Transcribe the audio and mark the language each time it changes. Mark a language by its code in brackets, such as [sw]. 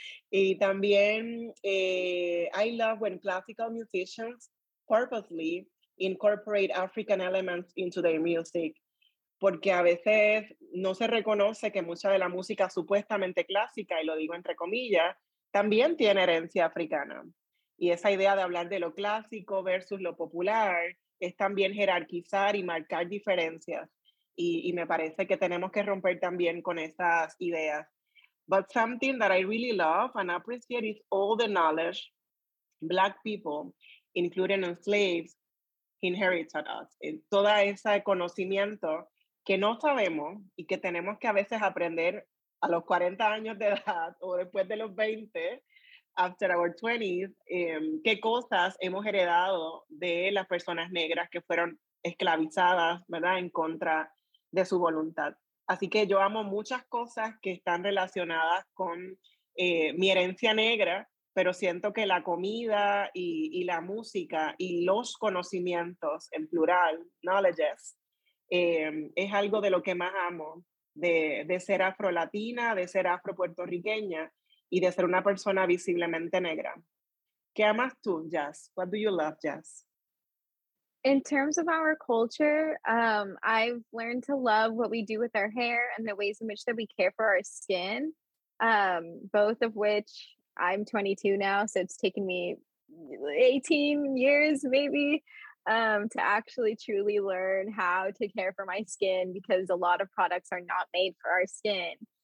[es] Y también [en] I love when classical musicians purposely incorporate African elements into their music, [es] porque a veces no se reconoce que mucha de la música supuestamente clásica, y lo digo entre comillas, también tiene herencia africana. Y esa idea de hablar de lo clásico versus lo popular es también jerarquizar y marcar diferencias. Y me parece que tenemos que romper también con esas ideas. [en] But something that I really love and appreciate is all the knowledge Black people, including slaves, inherited us. [es] Todo ese conocimiento que no sabemos y que tenemos que a veces aprender a los 40 años de edad o después de los 20, [en] after our 20s, [es] qué cosas hemos heredado de las personas negras que fueron esclavizadas, ¿verdad?, en contra de su voluntad. Así que yo amo muchas cosas que están relacionadas con mi herencia negra, pero siento que la comida y la música y los conocimientos, en plural, knowledges, es algo de lo que más amo, de ser afro-latina, de ser afro-puertorriqueña, y de ser una persona visiblemente negra. ¿Qué amas tú, Jazz? [en] What do you love, Jazz? In terms of our culture, I've learned to love what we do with our hair and the ways in which that we care for our skin, both of which, I'm 22 now, so it's taken me 18 years maybe to actually truly learn how to care for my skin, because a lot of products are not made for our skin.